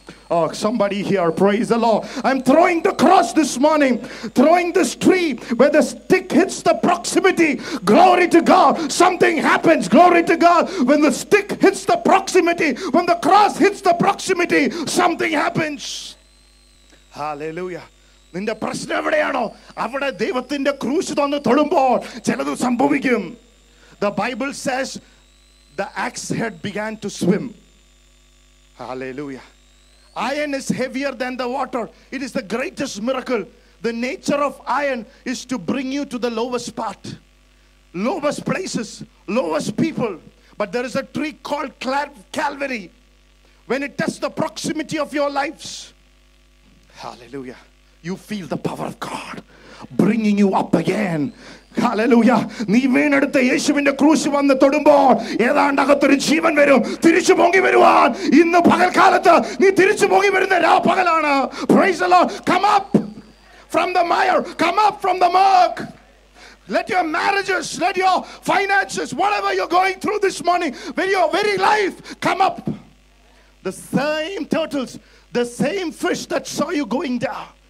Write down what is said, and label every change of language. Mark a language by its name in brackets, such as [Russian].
[English] Oh, somebody here, praise the Lord. I'm throwing the cross this morning. Throwing this tree where the stick hits the proximity. Glory to God. Something happens. Glory to God. When the stick hits the proximity, when the cross hits the proximity, something happens. Hallelujah. [Malayalam] നിന്റെ പ്രശ്നം എവിടെയാണോ അവിടെ ദൈവത്തിന്റെ ക്രൂശ് തന്നു തൊടുമ്പോൾ ചിലത് സംഭവിക്കും. [English] The Bible says the axe head began to swim. Hallelujah. Iron is heavier than the water. It is the greatest miracle. The nature of iron is to bring you to the lowest part, lowest places, lowest people. But there is a tree called Calvary. When it tests the proximity of your lives, hallelujah, you feel the power of God bringing you up again. Hallelujah. [Malayalam] നീ വീണെടുത്ത് യേശുവിന്റെ ക്രൂശ് വന്ന് തൊടുമ്പോൾ ഏതാണ്ട് അകത്തൊരു ജീവൻ വരും. തിരിച്ചു പൊങ്ങി വരുവാൻ ഇന്ന് പകൽക്കാലത്ത് നീ തിരിച്ചു പൊങ്ങി വരുന്ന രാപ്പകലാണ്. [English] Praise the Lord. Come up from the mire. Come up from the murk. Let your marriages, let your finances, whatever you're going through this morning, with your very life, come up. The same turtles, the same fish that saw you going down.